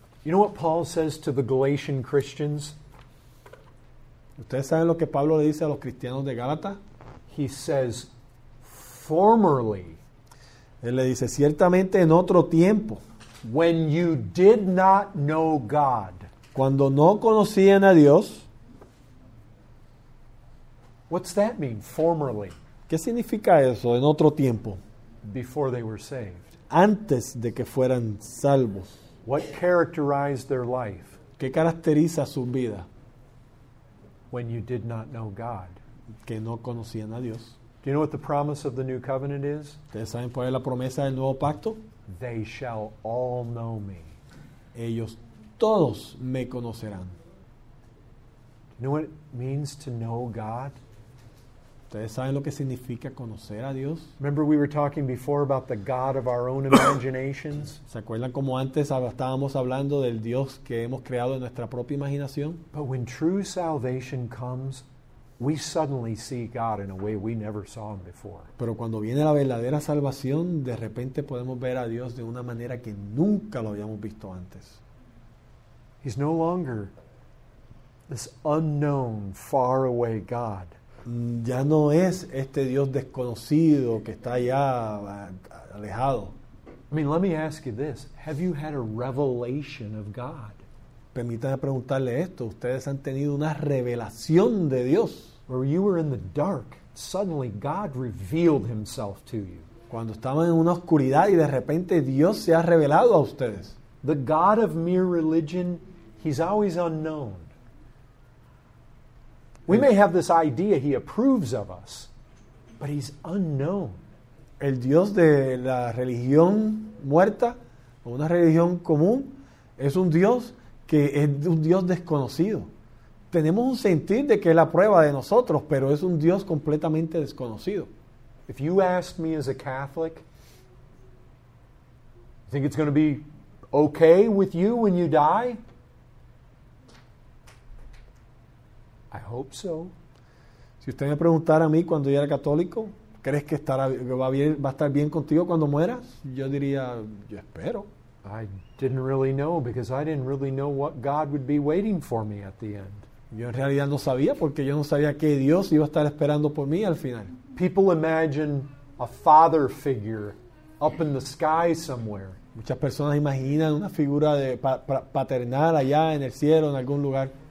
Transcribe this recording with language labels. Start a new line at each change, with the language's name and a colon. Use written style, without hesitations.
English: You know what Paul says to the Galatian Christians?
Spanish: ¿Ustedes saben lo que Pablo le dice a los cristianos de Gálata?
English: He says, formerly.
Spanish: Él le dice, ciertamente en otro tiempo.
English: When you did not know God.
Spanish: Cuando no conocían a Dios.
English: What's that mean, formerly?
Spanish: ¿Qué significa eso, en otro tiempo?
English: Before they were saved.
Spanish: Antes de que fueran salvos.
English: What characterized their life?
Spanish: ¿Qué caracteriza su vida?
English: When you did not know God.
Spanish: Que no conocían a Dios.
English: Do you know what the promise of the new covenant is?
Spanish: ¿Ustedes saben cuál es la promesa del nuevo pacto?
English: They shall all know me.
Spanish: Ellos todos me conocerán.
English: You know what it means to know God?
Spanish: ¿Ustedes saben lo que significa conocer a Dios?
English: Remember we were talking before about the God of our own imaginations?
Spanish: ¿Se acuerdan como antes estábamos hablando del Dios que hemos creado en nuestra propia imaginación?
English: But when true salvation comes, we suddenly see God in a way we never saw him before.
Spanish: Pero cuando viene la verdadera salvación, de repente podemos ver a Dios de una manera que nunca lo habíamos visto antes.
English: He's no longer this unknown, far away God.
Spanish: ya no es este Dios desconocido que está allá alejado.
English: I mean, let me ask you this. Have you had a revelation of God?
Spanish: Permítame preguntarle esto. ¿Ustedes han tenido una revelación de Dios?
English: Where you were in the dark, suddenly God revealed himself to you.
Spanish: Cuando estaban en una oscuridad y de repente Dios se ha revelado a ustedes.
English: The God of mere religion, he's always unknown. We may have this idea he approves of us, but he's unknown.
Spanish: El Dios de la religión muerta, o una religión común, es un Dios que es un Dios desconocido. Tenemos un sentir de que Él aprueba de nosotros, pero es un Dios completamente desconocido.
English: If you ask me as a Catholic, you think it's going to be okay with you when you die? I hope so.
Spanish: Si usted me preguntara a mí cuando yo era católico, ¿crees que estará, va a estar bien contigo cuando mueras? Yo diría, yo espero.
English: I didn't really know because I didn't really know what God would be waiting for me at the end.
Spanish: Yo en realidad no sabía porque yo no sabía qué Dios iba a estar esperando por mí al final.
English: People imagine a father figure up in the sky somewhere.
Spanish: Muchas personas imaginan una figura de paternal allá en el cielo, en algún lugar.